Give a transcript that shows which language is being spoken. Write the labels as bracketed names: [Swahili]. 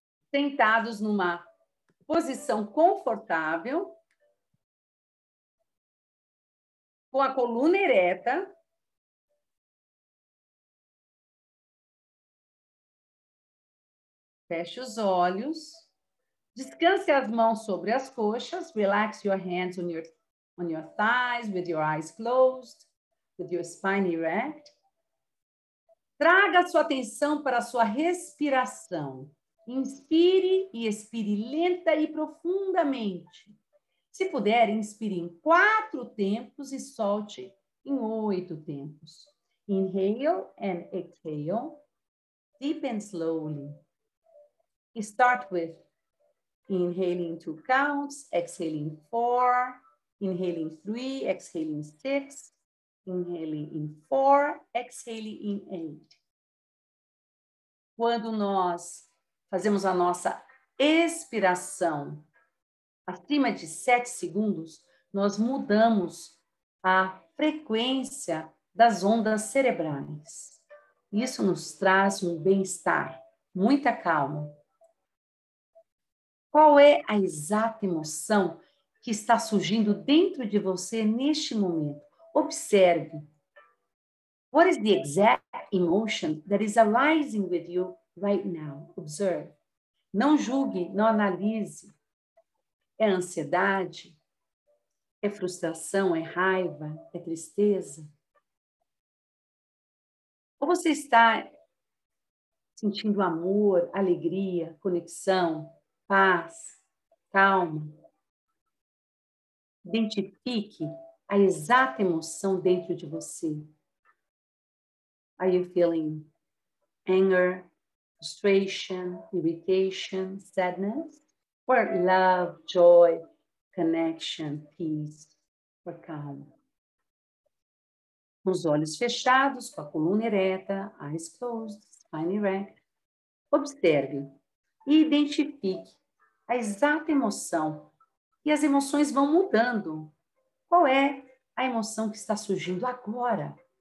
[Portuguese] Sentados numa posição confortável, com a coluna ereta, feche os olhos, descanse as mãos sobre as coxas, [English] relax your hands on your thighs, with your eyes closed, with your spine erect. [Portuguese] Traga sua atenção para a sua respiração. Inspire e expire lenta e profundamente. Se puder, inspire em 4 tempos e solte em 8 tempos. [English] Inhale and exhale, deep and slowly. Start with inhaling 2 counts, exhaling 4, inhaling 3, exhaling 6, inhaling in 4, exhaling in 8. [Portuguese] Quando nós fazemos a nossa expiração acima de 7 segundos, nós mudamos a frequência das ondas cerebrais. Isso nos traz um bem-estar, muita calma. Qual é a exata emoção que está surgindo dentro de você neste momento? Observe. [English] What is the exact emotion that is arising with you right now? [Portuguese] Observe. Não julgue, não analise. É ansiedade? É frustração? É raiva? É tristeza? Ou você está sentindo amor, alegria, conexão, paz, calma? Identifique a exata emoção dentro de você. [English] Are you feeling anger, frustration, irritation, sadness, or love, joy, connection, peace, or calm? [Portuguese] Com os olhos fechados, com a coluna ereta, [English] eyes closed, spine erect, [Portuguese] observe e identifique a exata emoção. E as emoções vão mudando. Qual é a emoção que está surgindo agora?